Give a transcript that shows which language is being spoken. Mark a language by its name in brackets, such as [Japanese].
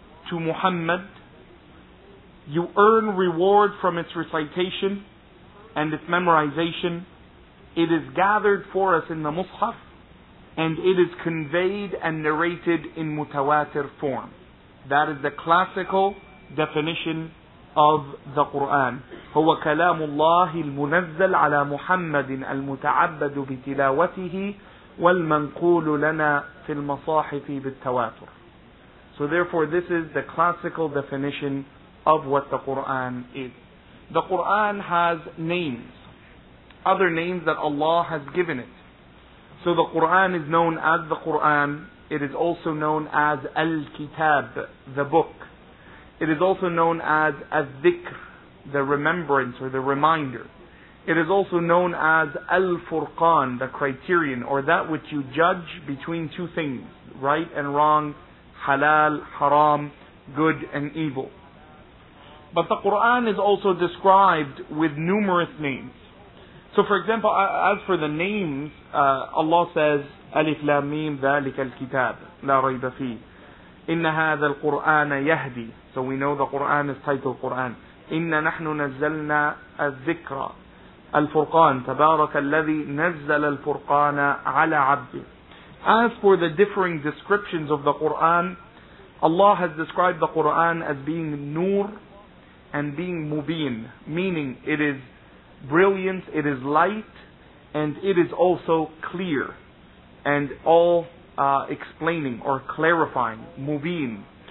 [English] to Muhammad, you earn reward from its recitation and its memorization. It is gathered for us in the Mus'haf, and it is conveyed and narrated in mutawatir form. That is the classical definition of the Qur'an. [Arabic] هو كلام الله المنزل على محمد المتعبد بتلاوته والمنقول لنا في المصاحف بالتواتر. [English] So therefore this is the classical definition of what the Qur'an is. The Qur'an has names, other names that Allah has given it. So the Qur'an is known as the Qur'an. It is also known as Al-Kitab, the book. It is also known as Al-Dhikr, the remembrance or the reminder. It is also known as Al-Furqan, the criterion, or that which you judge between two things, right and wrong, halal, haram, good and evil. But the Qur'an is also described with numerous names. So for example, as for the names, Allah says, [Arabic] أَلِفْ لَا مِيمْ ذَلِكَ الْكِتَابِ لَا رَيْبَ فِيهِ إِنَّ هَذَا الْقُرْآنَ يَهْدِي. [English] So we know the Qur'an is titled Qur'an. [Arabic] إِنَّ نَحْنُ نَزَّلْنَا الذِّكْرَ الْفُرْقَانَ تَبَارَكَ الَّذِي نَزَّلَ الْفُرْقَانَ عَلَى عَبْدِهِ. [English] As for the differing descriptions of the Qur'an, Allah has described the Qur'an as being nur and being mubin, meaning it is brilliant, it is light, and it is also clear and all explaining or clarifying, mubin.